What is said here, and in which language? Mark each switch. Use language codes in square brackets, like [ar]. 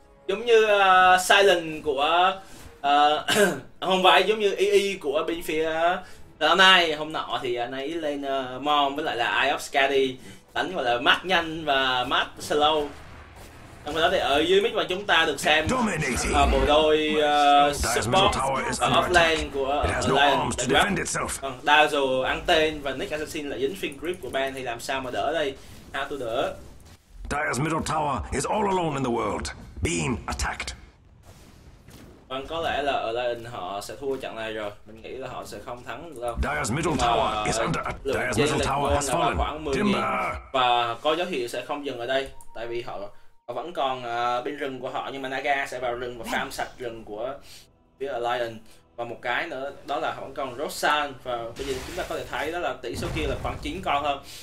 [vi] Giống như Silent của không phải, giống như EE của bên phía hôm nay, hôm nọ thì anh ấy lên mom với lại là Eye of Skadi đánh gọi là mát nhanh và mát slow. Trong khi đó thì ở dưới mid và chúng ta được xem bộ đôi support offlane của Alliance. Dazzle ăn tên và Nick Assassin lại dính fin grip của Ban thì làm sao mà đỡ đây? [en] How to [vi] đỡ? [en] Dire's middle tower is all alone in the world, being attacked. [vi] Vâng, có lẽ là ở Lion họ sẽ thua trận này rồi. Mình nghĩ là họ sẽ không thắng được đâu. [en] Dire's middle tower is under attack. Dire's middle tower has fallen. [vi] Khoảng 10.000 và có dấu hiệu sẽ không dừng ở đây, tại vì họ vẫn còn bên rừng của họ, nhưng mà Naga sẽ vào rừng và farm sạch rừng của phía Lion. Và một cái nữa đó là họ vẫn còn Roshan, và bây giờ chúng ta có thể thấy đó là tỷ số kia là khoảng 9 con hơn.